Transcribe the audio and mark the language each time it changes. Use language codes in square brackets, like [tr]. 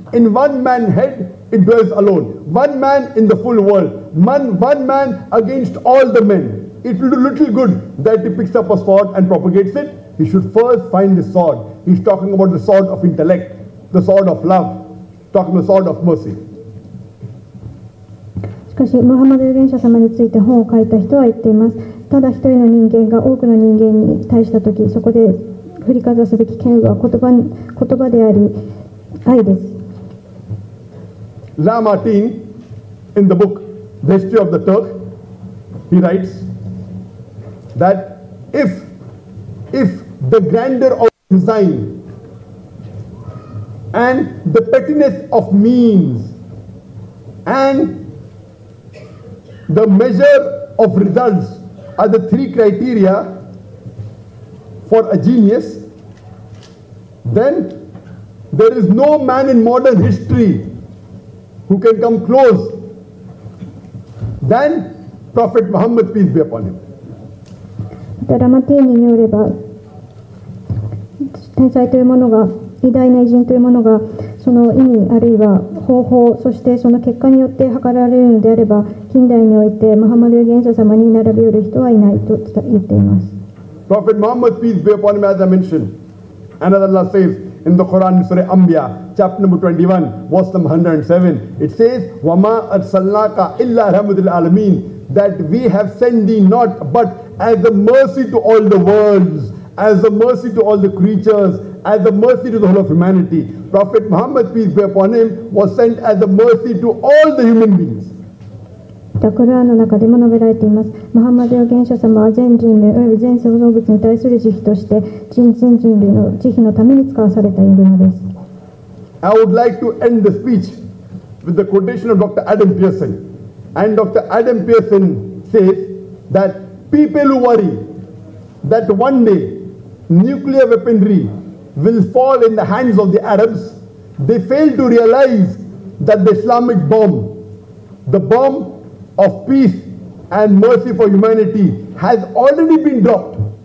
[en] In one man's head,It dwells alone. One man in the full world. One man against all the men. It will do little good that he picks up a sword and propagates it. He should first find the sword. He's talking about the sword of intellect, the sword of love, talking the sword of mercy. [ja] しかし、ムハンマド預言者様について本を書いた人は言っています。ただ一人の人間が多くの人間に対したとき、そこで振りかざすべき剣は言葉であり、愛です。 [en] Lamartine, in the book The History of the Turk, he writes that if the grandeur of design and the pettiness of means and the measure of results are the three criteria for a genius, then there is no man in modern historywho can come close than Prophet Muhammad, peace be upon him. [ja] ラマティーニによれば、天才というものが、偉大な偉人というものが、その意味あるいは方法、そしてその結果によって測られるのであれば、近代において、ムハンマド預言者様に並び寄る人はいないと言っています。 [en] Prophet Muhammad, peace be upon him, as I mentioned, and as Allah says,In the Quran, Surah Anbiya, chapter number 21, verse number 107, it says, [ar] وَمَا أَرْسَلْنَاكَ إِلَّا رَحْمَةً لِلْعَالَمِينَ [en] That we have sent thee not but as a mercy to all the worlds, as a mercy to all the creatures, as a mercy to the whole of humanity. Prophet Muhammad, peace be upon him, was sent as a mercy to all the human beings. [ja] The Quran の中でも述べられています。ムハンマド預言者様は全人類および全創造物に対する慈悲として、全人類の慈悲のために使わされているのです。 [en] I would like to end the speech with the quotation of Dr. Adam Pearson. And Dr. Adam Pearson says that people who worry that one day nuclear weaponry will fall in the hands of the Arabs, they fail to realize that the Islamic bomb, the bombOf peace and mercy for humanity has already been dropped.